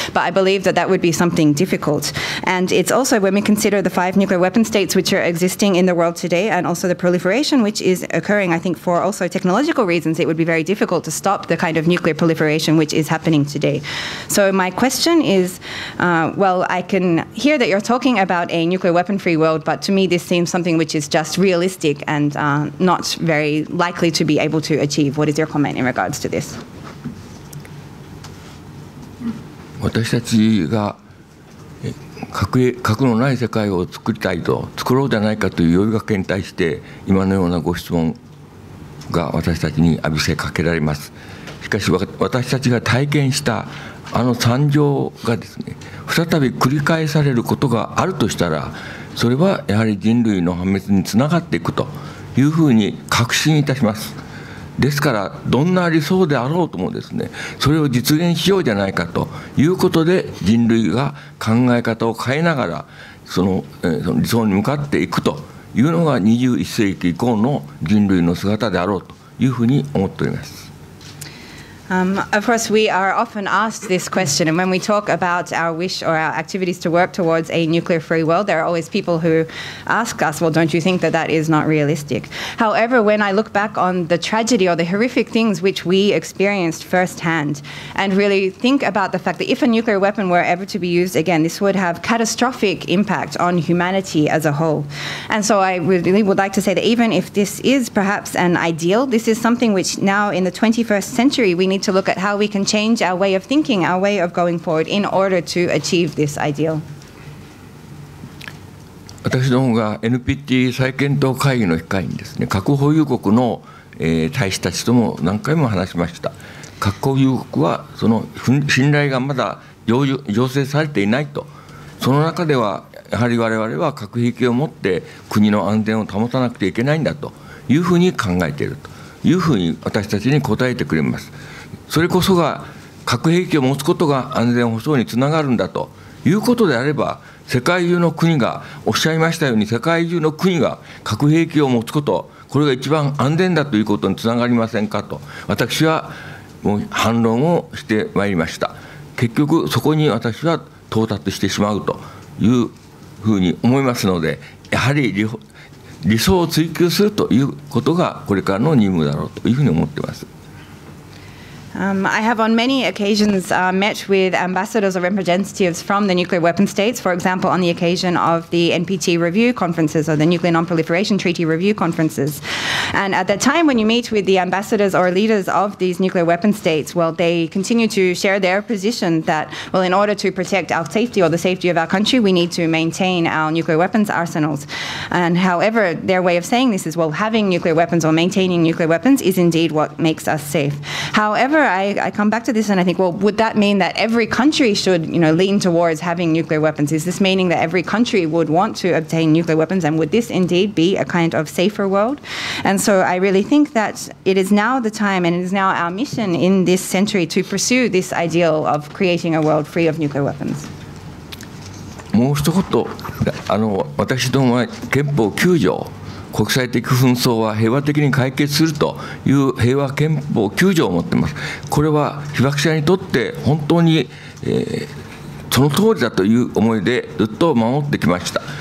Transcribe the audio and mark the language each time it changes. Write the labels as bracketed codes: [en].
[en] But I believe that that would be something difficult. And it's also, when we consider the five nuclear weapon states which are existing in the world today, and also the proliferation which is occurring, I think for also technological reasons, it would be very difficult to stop the kind of nuclear proliferation which is happening today. So my question is, I can hear that you're talking about a nuclear weapon-free world, but to me this seems something which is just realistic and not very likely to be able to achieve. What is your comment in regards to this? [ja] 私たちが 核のない世界を作りたいと、作ろうじゃないかという呼びかけに対して今のようなご質問が私たちに浴びせかけられます。しかし私たちが体験したあの惨状がですね、再び繰り返されることがあるとしたら、それはやはり人類の破滅につながっていくというふうに確信いたします。ですからどんな理想であろうともですね、それを実現しようじゃないかということで、人類が考え方を変えながらその理想に向かっていくというのが21世紀以降の人類の姿であろうというふうに思っております。 [en] Of course, we are often asked this question, and when we talk about our wish or our activities to work towards a nuclear-free world, there are always people who ask us, well, don't you think that that is not realistic? However, when I look back on the tragedy or the horrific things which we experienced firsthand, and really think about the fact that if a nuclear weapon were ever to be used again, this would have catastrophic impact on humanity as a whole. And so I really would like to say that even if this is perhaps an ideal, this is something which now in the 21st century, we need to look at how we can change our way of thinking, our way of going forward in order to achieve this ideal. [ja] 私どもが NPT 再検討会議の機会にですね、核保有国の、大使たちとも何回も話しました。核保有国はその信頼がまだ醸成されていないと、その中ではやはり我々は核兵器を持って国の安全を保たなくてはいけないんだというふうに考えているというふうに私たちに答えてくれます。それこそが核兵器を持つことが安全保障につながるんだということであれば、世界中の国が、おっしゃいましたように世界中の国が核兵器を持つこと、これが一番安全だということにつながりませんかと、私はもう反論をしてまいりました。結局そこに私は到達してしまうというふうに思いますので、やはり理想を追求するということがこれからの任務だろうというふうに思っています。 [en] I have on many occasions met with ambassadors or representatives from the nuclear weapon states, for example, on the occasion of the NPT review conferences or the Nuclear Non-Proliferation Treaty review conferences. And at that time, when you meet with the ambassadors or leaders of these nuclear weapon states, well, they continue to share their position that, well, in order to protect our safety or the safety of our country, we need to maintain our nuclear weapons arsenals. And however, their way of saying this is, well, having nuclear weapons or maintaining nuclear weapons is indeed what makes us safe. However, I come back to this and I think, well, would that mean that every country should, you know, lean towards having nuclear weapons? Is this meaning that every country would want to obtain nuclear weapons? And would this indeed be a kind of safer world? And so I really think that it is now the time and it is now our mission in this century to pursue this ideal of creating a world free of nuclear weapons. [ja] もう一言、私どもは憲法9条、国際的紛争は平和的に解決するという平和憲法9条を持っています。これは被爆者にとって本当に、その通りだという思いでずっと守ってきました。